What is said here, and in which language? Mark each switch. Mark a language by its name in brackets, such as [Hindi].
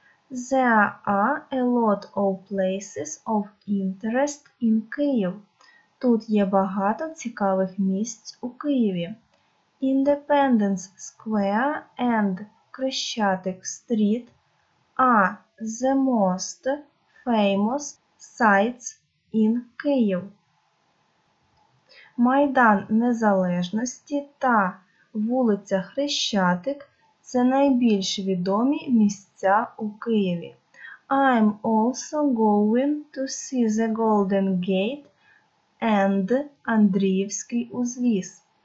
[English] There are a lot of places of interest in Kyiv. [Ukrainian] Тут є багато цікавих місць у Києві. [English] Independence Square and Krishatik Street are the most famous sites in Kyiv. [Ukrainian] Майдан Незалежності та вулиця Хрещатик – це найбільш відомі місця у Києві. [English] I'm also going to see the Golden Gate and Андріївський узвіз.